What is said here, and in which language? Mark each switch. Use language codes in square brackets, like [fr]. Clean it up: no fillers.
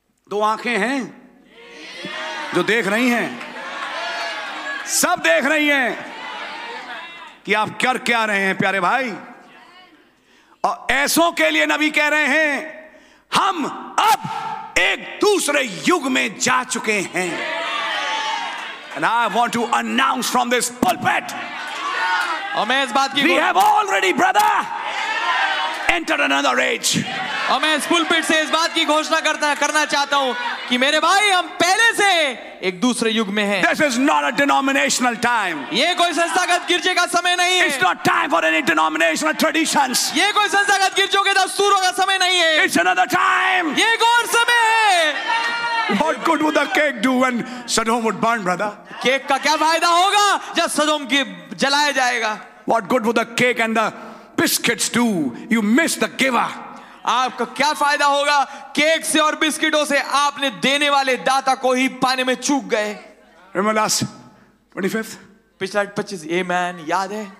[hi] दो आंखें हैं जो देख रही हैं, सब देख रही हैं कि आप कर क्या रहे हैं प्यारे भाई। और ऐसों के लिए नबी कह रहे हैं हम अब एक दूसरे युग में जा चुके हैं। [en] And I want to announce from this pulpit, [hi] इस बात की [en] we have already, brother, entered another age. [hi] और मैं इस पुलपिट से इस बात की घोषणा करना चाहता हूं कि मेरे भाई हम पहले से एक दूसरे युग में हैं। [en] This is not a denominational time. [hi] ये कोई संस्थागत गिरजे का समय नहीं है। [en] It's not time for any denominational traditions. [hi] ये कोई संस्थागत गिरजों के दस्तूरों का समय नहीं है। [en] It's another time. [hi] ये एक और समय है। [en] What good would the cake do when Sodom would burn, brother? [hi] Cake का क्या फायदा होगा जब सदोम की जलाया जाएगा? [en] What good would the cake and the biscuits do? You miss the giver. [hi] आपका क्या फायदा होगा केक से और बिस्किटों से, आपने देने वाले दाता को ही पाने में चूक गए। [en] Remember last 25th? [hi] पिछला 25, amen, याद है?